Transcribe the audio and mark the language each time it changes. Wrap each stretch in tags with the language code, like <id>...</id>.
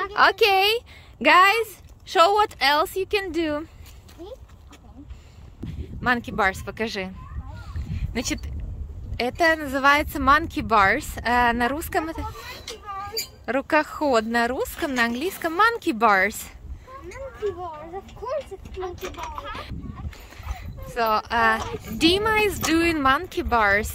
<en>Okay, guys, show what else you can do. Monkey bars,</en> <ru>покажи. Значит, это называется monkey bars. На русском это рукоход. На русском, на английском monkey bars.</ru> <en>Monkey bars, of course it's monkey bars. So, Dima is doing monkey bars.</en>